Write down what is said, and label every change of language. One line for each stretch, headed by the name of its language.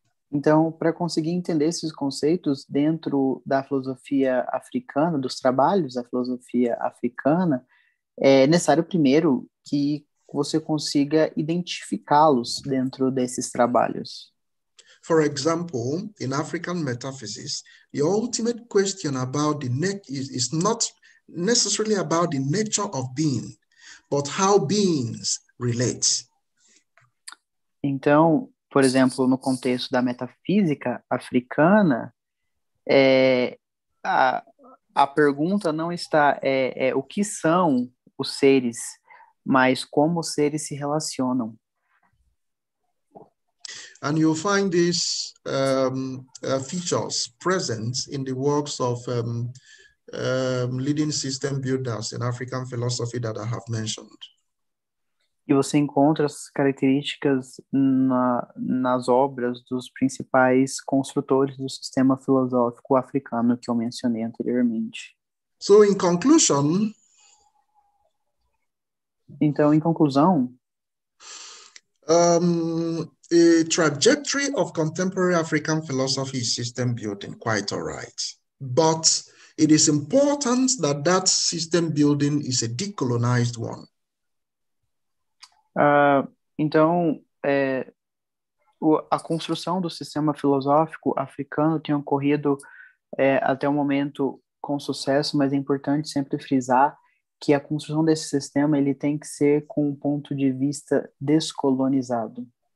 Portuguese: Então, para conseguir entender esses conceitos dentro da filosofia africana, dos trabalhos da filosofia africana, é necessário primeiro que você consiga identificá-los dentro desses trabalhos.
English: For example, in African metaphysics, the ultimate question about the is not necessarily about the nature of being, but how beings relate.
Portuguese: Então, por exemplo, no contexto da metafísica africana, a pergunta não está o que são os seres, mas como os seres se relacionam.
English: And you'll find these features present in the works of leading system builders in African philosophy that I have mentioned.
Portuguese: E você encontra as características nas obras dos principais construtores do sistema filosófico africano que eu mencionei anteriormente.
English: So, in conclusion...
Portuguese: Então, em conclusão...
English: A trajectory of contemporary African philosophy system building, quite all right. But it is important that that system building is a decolonized one.
Portuguese: Então, a construção do sistema filosófico africano tem ocorrido até o momento com sucesso, mas é importante sempre frisar que a construção desse sistema ele tem que ser com um ponto de vista descolonizado.